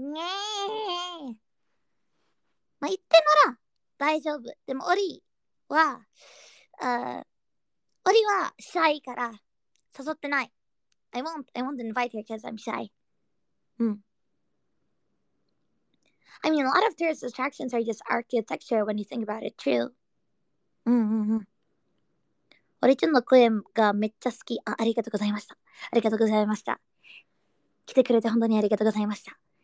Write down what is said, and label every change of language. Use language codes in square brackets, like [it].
[ja] ねえ。まあ言ってなら大丈夫。でもオリは オリはシャイから 誘ってない。 [en] I won't invite her because I'm shy. I mean, a lot of tourist attractions are just architecture when you think about it, true. [ja] オリちゃんの声がめっちゃ好き。ありがとうございました。ありがとうございました。来てくれて本当にありがとうございました。